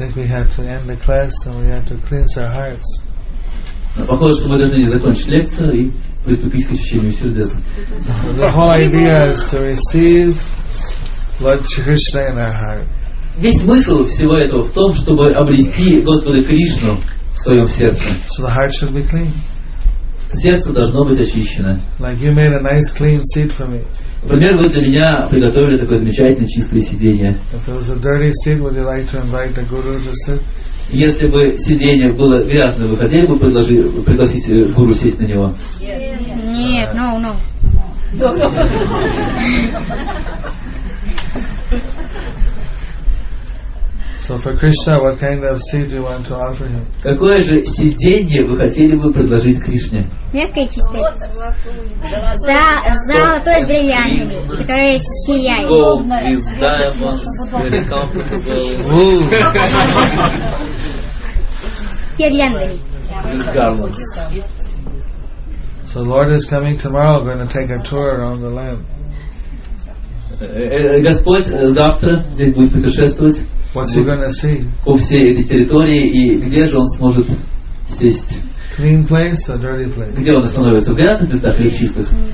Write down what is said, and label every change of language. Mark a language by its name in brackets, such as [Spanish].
[English] have to end the class and we have to cleanse our hearts. [Russian] Похоже, что мы должны закончить лекцию и приступить к очищению сердец. [English] The whole idea is to receive Lord Krishna in our heart. [Russian] Весь смысл всего этого в том, чтобы обрести Господа Кришну в своем сердце. [English] So the heart should be clean. [Russian] Сердце должно быть очищено. [English] Like you made a nice clean seat for me. [Russian] Например, вы для меня приготовили такое замечательное чистое сиденье. [English] If it was a dirty seat, would you like to invite the Guru to sit? [Russian] Если бы сиденье было грязное, вы хотели бы пригласить Гуру сесть на него? Нет, [English] no, no. So for Krishna, what kind of seat do you want to offer him? [Russian] Какое же сиденье вы хотели бы предложить Кришне? Мягкое, чистое. За золотой с бриллиантами, которые сияют. [English] Gold is diamonds, very comfortable. [Russian] С гирляндами. [English] With garlands. So Lord is coming tomorrow, going to take a tour around the land. [Russian] Господь завтра здесь будет путешествовать. [English] What's he gonna see? [Russian] По всей этой территории и где же он сможет сесть? [English] Clean place or dirty place? [Russian] Где он остановится? В грязных местах или в чистых?